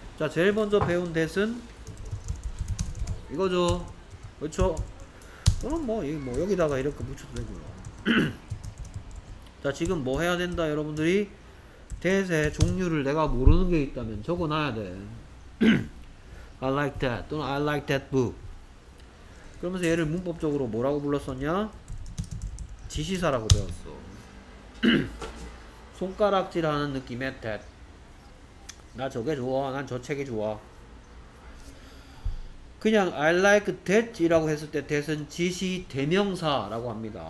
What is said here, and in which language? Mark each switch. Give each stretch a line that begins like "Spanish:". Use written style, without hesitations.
Korean: 자, 제일 먼저 배운 that은 이거죠. 그렇죠? 그럼 뭐 여기다가 이렇게 붙여도 되고요. 자, 지금 뭐 해야 된다 여러분들이? that의 종류를 내가 모르는 게 있다면 적어놔야 돼.
English: I like that 또는 I like that book.
Korean: 그러면서 얘를 문법적으로 뭐라고 불렀었냐? 지시사라고 배웠어. 손가락질하는 느낌의 that. 나 저게 좋아. 난 저 책이 좋아. 그냥 I like that 이라고 했을 때 that은 지시 대명사라고 합니다.